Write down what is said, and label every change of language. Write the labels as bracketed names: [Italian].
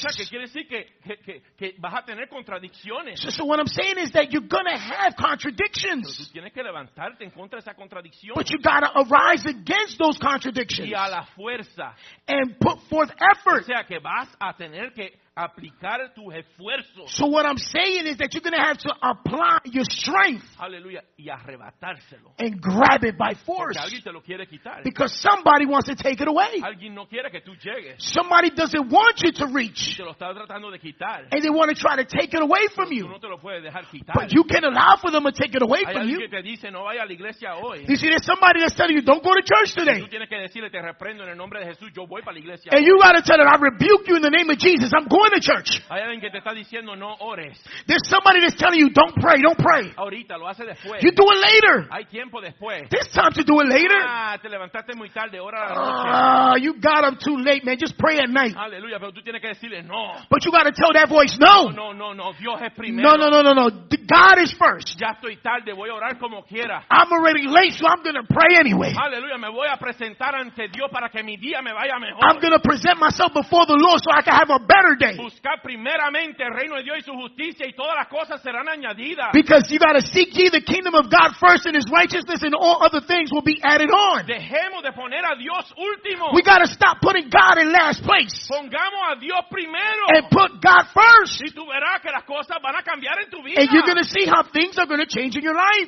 [Spanish] O sea, que quiere decir que vas a tener contradicciones. [English] So what I'm saying is that you're going to have contradictions. [Spanish] Pero tú tienes que levantarte en contra de esa contradicción. [English] But you got to arise against those contradictions. [Spanish] Y a la fuerza. [English] And put forth effort. [Spanish] O sea, que vas a tener que aplicar tus esfuerzos. [English] So what I'm saying is that you're going to have to apply your strength. [Spanish] Hallelujah. Y arrebatárselo. [English] And grab it by force. [Spanish] Porque alguien te lo quiere quitar. [English] Because somebody wants to take it away. [Spanish] Alguien no quiere que tú llegues. [English] Somebody doesn't want you to reach. [Spanish] Y te lo está tratando de quitar. [English] And they want to try to take it away from you. [Spanish] Tú no te lo puedes dejar quitar. [English] But you can allow for them to take it away from you. [Spanish] Hay alguien que te dice, no vaya a la iglesia hoy. [English] You see, there's somebody that's telling you, don't go to church today. [Spanish] Y tú tienes que decirle, te reprendo en el nombre de Jesús, yo voy para la iglesia. [English] And you got to tell them, I rebuke you in the name of Jesus, I'm going in the church. There's somebody that's telling you, don't pray, don't pray. You do it later. There's time to do it later. You got up too late, man. Just pray at night. But you got to tell that voice, no. No, no, no, no, no. God is first. I'm already late, so I'm going to pray anyway. I'm going to present myself before the Lord so I can have a better day. [Spanish] Primeramente el reino de Dios y su justicia y todas las cosas serán añadidas. [English] Because you got to seek ye the kingdom of God first and his righteousness and all other things will be added on. [Spanish] Dejemos de poner a Dios último. [English] We got to stop putting God in last place. [Spanish] Pongamos a Dios primero. [English] And put God first. [Spanish] Y tú verás que las cosas van a cambiar en tu vida. [English] And you're going to see how things are going to change in your life.